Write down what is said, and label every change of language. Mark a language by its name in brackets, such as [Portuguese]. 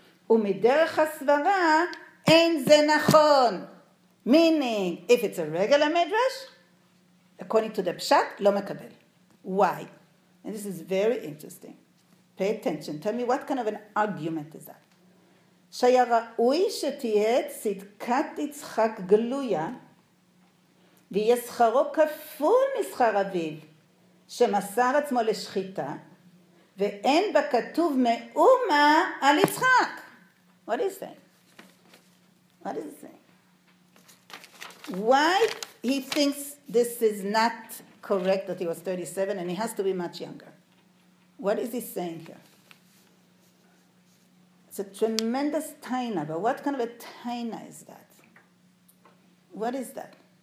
[Hebrew] ומדרך הסברה, אין זה נכון. [English] Meaning, if it's a regular Midrash, according to the Pshat, [Hebrew] לא מקבל. [English] Why? And this is very interesting. Pay attention. Tell me what kind of an argument is that? [Hebrew] שהיה ראוי שתהיה צדקת יצחק גלויה ויהיה שכרו כפול משכר אביו שמסר עצמו לשחיטה ואין בה כתוב מאומה על יצחק. [English] What is that? What is that? Why he thinks this is not correct that he was 37 and he has to be much younger? What is he saying here? It's a tremendous taina, but what kind of a taina is that? What is that?